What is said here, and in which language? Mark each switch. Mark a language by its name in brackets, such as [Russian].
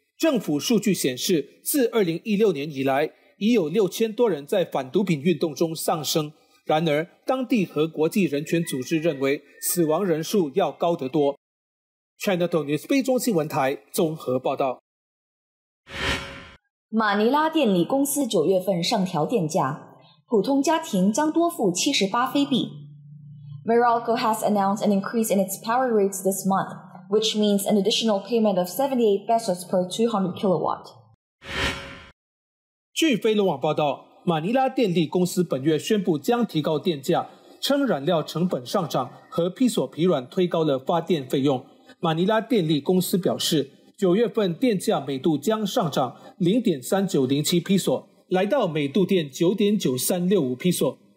[Chinese] 政府数据显示，自2016年以来，已有6000多人在反毒品运动中丧生，然而当地和国际人权组织认为死亡人数要高得多。 Cntv News 菲中新闻台综合报道。马尼拉电力公司9月份上调电价，普通家庭将多付78菲币。 [English] Meralco has announced an increase in its power rates this month, which means an additional payment of 78 pesos per 200 kilowatt. [Chinese] 据飞龙网报道，马尼拉电力公司本月宣布将提高电价，称燃料成本上涨和披索疲软推高了发电费用。马尼拉电力公司表示，九月份电价每度将上涨 0.3907 披索，来到每度电 9.9365 披索。